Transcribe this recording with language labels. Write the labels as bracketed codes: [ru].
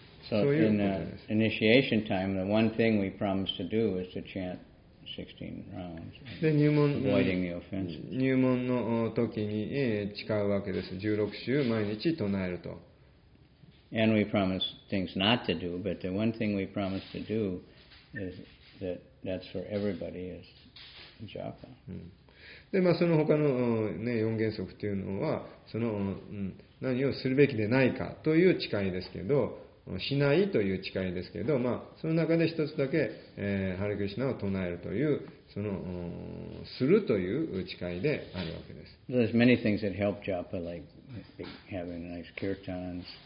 [en] So in initiation time, the one thing we promised to do was to chant 16 rounds, avoiding the offenses. [ja] 入門の時に誓うわけです。 16週毎日唱えると。 [en] And we promised things not to do, but the one thing we promised to do is that's for everybody is japa. [ja] で、まあ、その他の、ね、4原則というのは、その、何をするべきでないかという誓いですけど、しないという誓いですけど、まあ、その中で一つだけ、ハレクリシナを唱えるというそのするという誓いであるわけです。 [en] There's many things that help japa, like having nice kirtans.